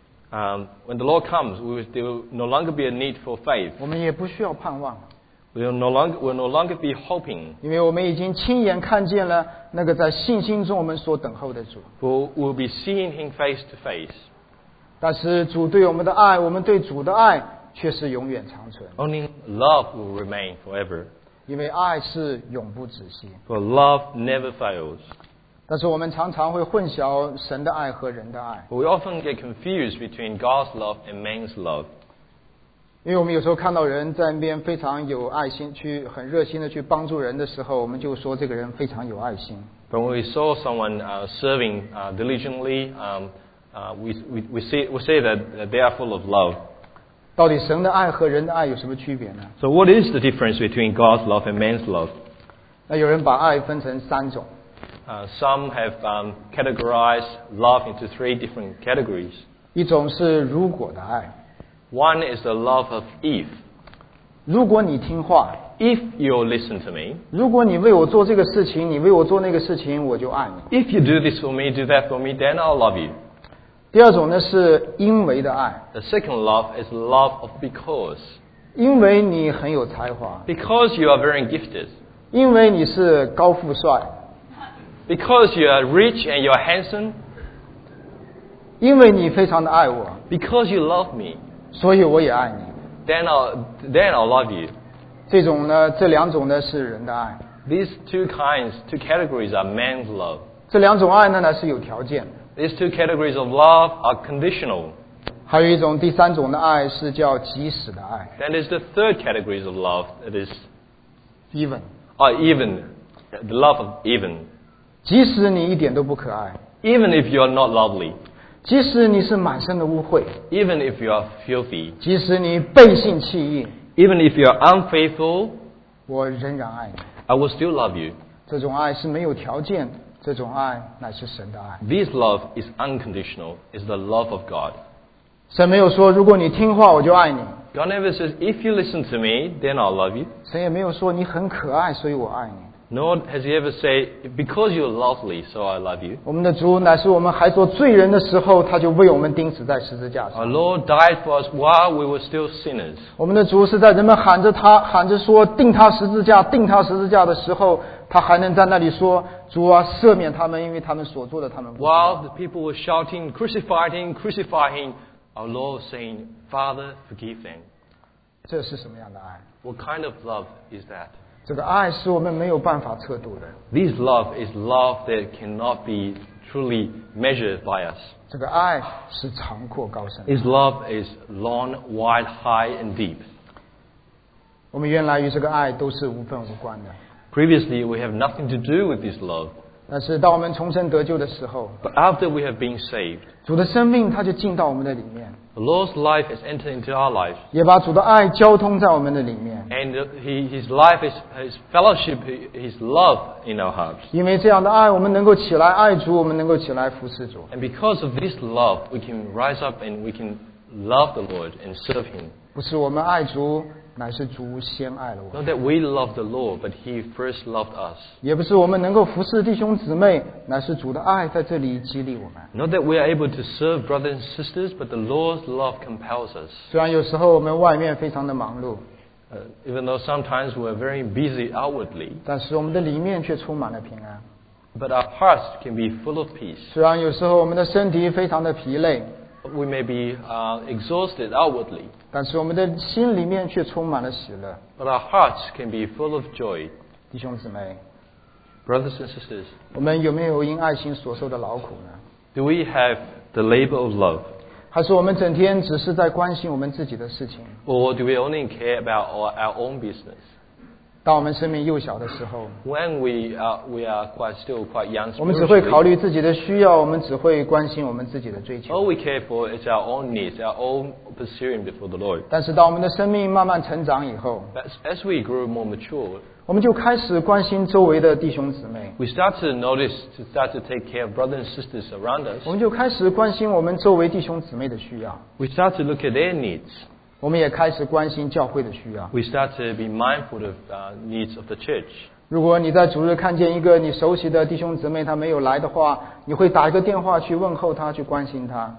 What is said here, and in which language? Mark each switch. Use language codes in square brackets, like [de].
[en] When the Lord comes, we will still no longer be a need for faith. [zh] 我们也不需要盼望。 [en] We will no longer be hoping. [zh] 因为我们已经亲眼看见了那个在信心中我们所等候的主。 [en] We will be seeing Him face to face. [zh] 但是主对我们的爱，我们对主的爱却是永远长存。 [en] Only love will remain forever. [zh] 因为爱是永不止息。 [en] For love never fails. [zh] 但是我们常常会混淆神的爱和人的爱。 [en] But we often get confused between God's love and man's love. [zh] 因为我们有时候看到人在那边非常有爱心，去很热心的去帮助人的时候，我们就说这个人非常有爱心。 [en] But when we saw someone serving diligently, we say that they are full of love. [zh] 到底神的爱和人的爱有什么区别呢 [en] ？So what is the difference between God's love and man's love？ [zh] 那有人把爱分成三种。 [en] Some have categorized love into three different categories。 [zh] 一种是如果的爱。 [en] One is the love of if。 [zh] 如果你听话。 [en] If you listen to me。 [zh] 如果你为我做这个事情，你为我做那个事情，我就爱你。 [en] If you do this for me, do that for me, then I'll love you。 [zh] 第二种呢是因为的爱。 [en] The second love is love of because. [zh] 因为你很有才华。 [en] Because you are very gifted. [zh] 因为你是高富帅。 [en] Because you are rich and you are handsome. [zh] 因为你非常的爱我。 [en] Because you love me. [zh] 所以我也爱你。 [en] Then I'll love you. [zh] 这种呢，这两种呢是人的爱。 [en] These two kinds, two categories are man's love. [zh] 这两种爱呢是有条件。 [en] These two categories of love are conditional. [zh] 还有一种第三种的爱是叫即使的爱。 [en] Then is the third category of love that is even. The love of even. [zh] 即使你一点都不可爱。 [en] Even if you are not lovely. [zh] 即使你是满身的污秽。 [en] Even if you are filthy. [zh] 即使你背信弃义。 [en] Even if you are unfaithful. [zh] 我仍然爱你。 [en] I will still love you. [zh] 这种爱是没有条件。这种爱乃是神的爱。 [en] This love is unconditional, is the love of God. [zh] 神没有说如果你听话我就爱你。 [en] God never says, if you listen to me, then I'll love you. [zh] 神也没有说你很可爱所以我爱你。 [en] Nor has he ever said, because you're lovely, so I love you. [zh] 我们的主乃是我们还做罪人的时候他就为我们钉死在十字架上。 [en] Our Lord died for us while we were still sinners. [zh] 我们的主是在人们喊着他喊着说钉他十字架钉他十字架的时候他还能在那里说主啊赦免他们因为他们所做的他们不知道。 [en] While the people were shouting, crucifying, crucifying, our Lord was saying, Father, forgive them. [zh] 这是什么样的爱? [en] What kind of love is that? [zh] 这个爱是我们没有办法测度的。 [en] This love is love that cannot be truly measured by us. [zh] 这个爱是长阔高深的。 [en] His love is long, wide, high, and deep. [zh] 我们原来与这个爱都是无分无关的。 [en] Previously, we have nothing to do with this love. [zh] 但是当我们重生得救的时候 [en] But after we have been saved, [zh] 主的生命它就进到我们的里面。 [en] The Lord's life has entered into our life. [zh] 也把主的爱交通在我们的里面。 [en] And his life is his fellowship, his love in our hearts. [zh] 因为这样的爱，我们能够起来爱主，我们能够起来服侍主。 [en] And because of this love, we can rise up and we can love the Lord and serve him. [zh] 不是我们爱主，乃是主先爱了我们。 [en] Not that we love the Lord, but he first loved us. [zh] 也不是我们能够服侍弟兄姊妹，乃是主的爱在这里激励我们。 [en] Not that we are able to serve brothers and sisters, but the Lord's love compels us. [zh] 虽然有时候我们外面非常的忙碌。 [en] Even though sometimes we are very busy outwardly. [zh] 但是我们的里面却充满了平安。 [en] But our hearts can be full of peace. [zh] 虽然有时候我们的身体非常的疲累。 [en] We may be exhausted outwardly. [zh] 但是我们的心里面却充满了喜乐。 [en] But our hearts can be full of joy. [zh] 弟兄姊妹。 [en] Brothers and sisters. [zh] 我们有没有因爱心所受的劳苦呢? [en] Do we have the labor of love? [zh] 还是我们整天只是在关心我们自己的事情? [en] Or do we only care about our own business? [zh] 当我们生命幼小的时候。 [en] When we are still quite young. [zh] 我们只会考虑自己的需要，我们只会关心我们自己的追求。 [en] All we care for is our own needs, our own pursuing before the Lord. [zh] 但是当我们的生命慢慢成长以后。 [en] As we grow more mature. [zh] 我们就开始关心周围的弟兄姊妹。 [en] We start to notice, to start to take care of brothers and sisters around us. [zh] 我们就开始关心我们周围弟兄姊妹的需要。 [en] We start to look at their needs. [zh] 我们也开始关心教会的需要。 [en] We start to be mindful of needs of the church. [zh] 如果你在主日看见一个你熟悉的弟兄姊妹他没有来的话，你会打一个电话去问候他，去关心他。